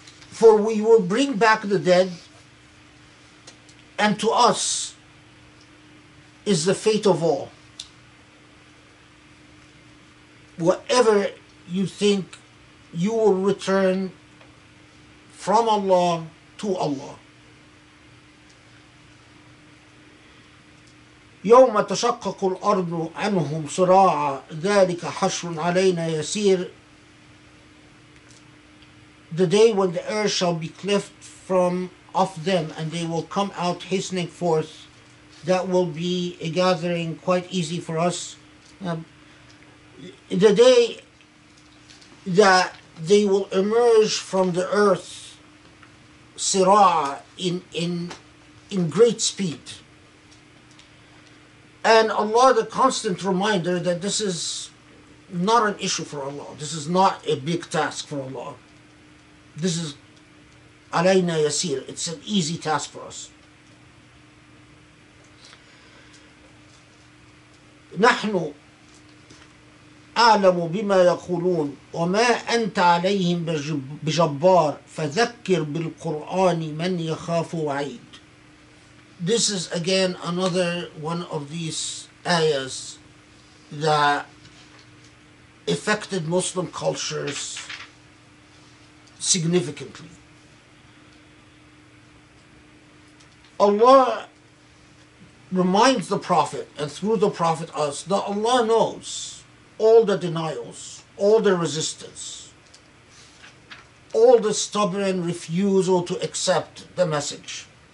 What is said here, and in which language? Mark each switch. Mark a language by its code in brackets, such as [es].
[en] For we will bring back the dead, and to us is the fate of all. Whatever you think, you will return from Allah to Allah. [ar] يوم تشقق الأرض عنهم صراعا ذلك حشر علينا يسير. [en] The day when the earth shall be cleft from off them and they will come out hastening forth, that will be a gathering quite easy for us. The day that they will emerge from the earth, Surah, in great speed. And Allah, the constant reminder that this is not an issue for Allah. This is not a big task for Allah. This is alayna yasir. It's an easy task for us. [ar] نحنو أعلم بما يقولون وما أنت عليهم بجبار فذكر بالقرآن من يخاف وعيد. [en] This is again another one of these ayahs that affected Muslim cultures significantly. Allah reminds the Prophet and through the Prophet us that Allah knows all the denials, all the resistance, all the stubborn refusal to accept the message.